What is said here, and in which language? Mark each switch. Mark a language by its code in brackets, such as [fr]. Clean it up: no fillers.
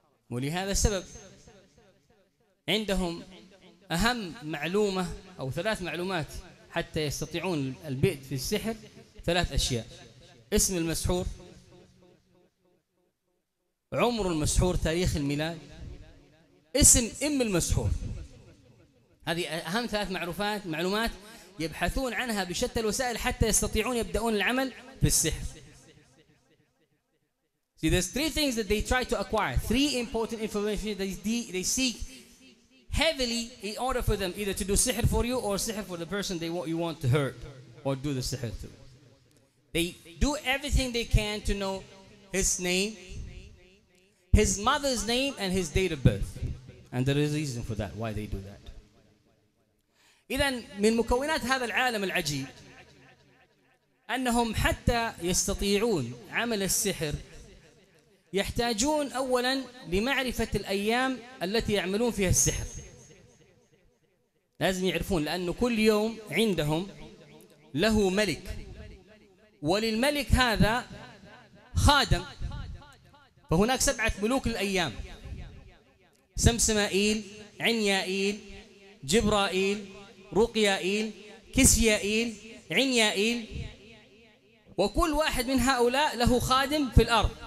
[ar] ولهذا السبب عندهم أهم معلومة أو ثلاث معلومات حتى يستطيعون البيت في السحر، ثلاث أشياء: اسم المسحور، عمر المسحور، تاريخ الميلاد، اسم أم المسحور. هذه أهم ثلاث معلومات يبحثون عنها بشتى الوسائل حتى يستطيعون يبدأون العمل في السحر. [en] See, there's three things that they try to acquire. Three important information that they seek heavily in order for them either to do sihr for you or sihr for the person they want, you want to hurt or do the sihr to. They do everything they can to know his name, his mother's name, and his date of birth. And there is a reason for that, why they do that. [ar] إذن من مكونات هذا العالم العجيب أنهم حتى يستطيعون عمل السحر يحتاجون أولا لمعرفة الأيام التي يعملون فيها السحر. لازم يعرفون، لأن كل يوم عندهم له ملك، وللملك هذا خادم، فهناك سبعة ملوك الأيام: سمسمائيل، عنيائيل، جبرائيل، رقيائيل، كسيائيل، عنيائيل، وكل واحد من هؤلاء له خادم في الأرض.